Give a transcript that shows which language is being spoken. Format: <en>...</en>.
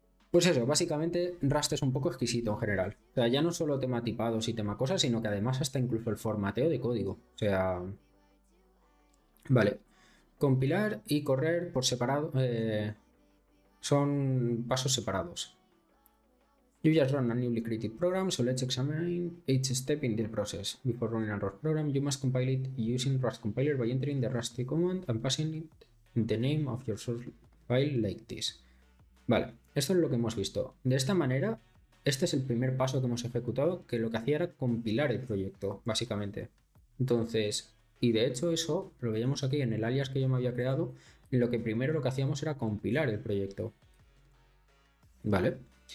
<es>Pues eso, básicamente Rust es un poco exquisito en general. O sea, ya no solo tema tipados y tema cosas, sino que además hasta incluso el formateo de código. O sea, vale. Compilar y correr por separado son pasos separados.</es> <en>You just run a newly created program, so let's examine each step in the process. Before running a Rust program, you must compile it using Rust compiler by entering the Rust command and passing it in the name of your source file like this.</en> <es>Vale, esto es lo que hemos visto. De esta manera, este es el primer paso que hemos ejecutado, que lo que hacía era compilar el proyecto, básicamente. Entonces, y de hecho eso, lo veíamos aquí en el alias que yo me había creado, lo que hacíamos era compilar el proyecto. Vale.</es>